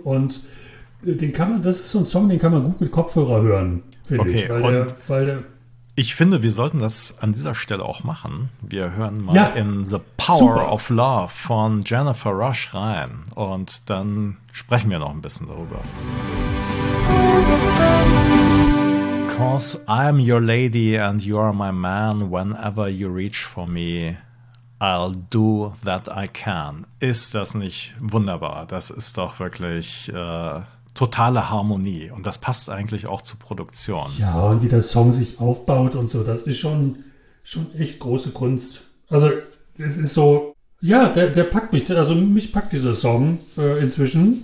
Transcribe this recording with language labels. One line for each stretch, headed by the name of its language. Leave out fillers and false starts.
German: Und das ist so ein Song, den kann man gut mit Kopfhörer hören, finde ich. Ich finde, wir sollten das an dieser Stelle auch machen. Wir hören mal in The Power of Love von Jennifer Rush rein. Und dann sprechen wir noch ein bisschen darüber.
English: Because I'm your lady and you are my man, whenever you reach for me, I'll do that I can.
German: Ist das nicht wunderbar? Das ist doch wirklich totale Harmonie und das passt eigentlich auch zur Produktion. Ja, und wie der Song sich aufbaut und so, das ist schon echt große Kunst. Also es ist so, ja, der packt mich, also mich packt dieser Song inzwischen.